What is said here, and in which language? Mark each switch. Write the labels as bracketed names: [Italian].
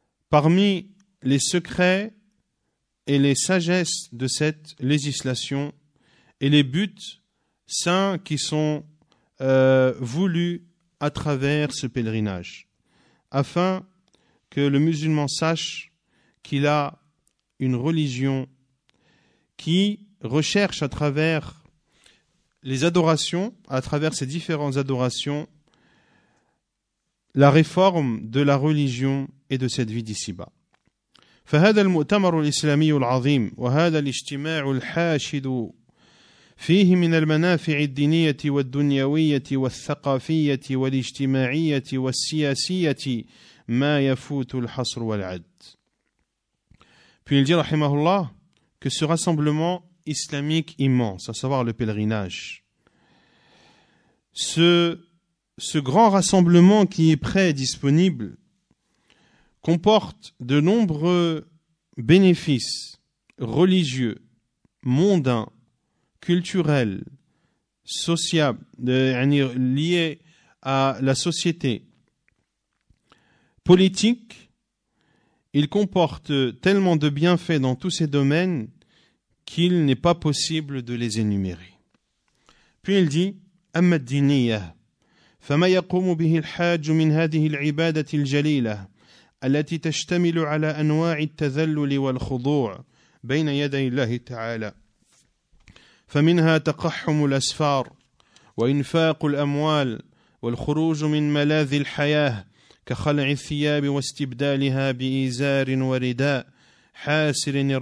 [French] Parmi les secrets et les sagesses de cette législation et les buts saints qui sont voulus à travers ce pèlerinage, afin que le musulman sache qu'il a une religion qui recherche à travers les adorations, à travers ces différentes adorations, la réforme de la religion et de cette vie d'ici-bas. [Arabic] فهذا المؤتمر الإسلامي العظيم وهذا الاجتماع الحاشد فيه من المنافع الدينية والدنيوية والثقافية والاجتماعية والسياسية ما يفوت الحصر والعد. [French] Puis il dit, rahimahullah, que ce rassemblement islamique immense, à savoir le pèlerinage, ce grand rassemblement qui est prêt et disponible comporte de nombreux bénéfices religieux, mondains, culturels, sociables, liés à la société, politique. Il comporte tellement de bienfaits dans tous ces domaines qu'il n'est pas possible de les énumérer. Puis il dit, [Arabic] أما الدينية فما يقوم به الحاج من هذه العبادة الجليلة التي تشتمل على أنواع التذلل والخضوع بين يدي الله تعالى، فمنها تقحم الأسفار وإنفاق الأموال والخروج من ملاذ الحياة كخلع الثياب واستبدالها بإزار ورداء حاسر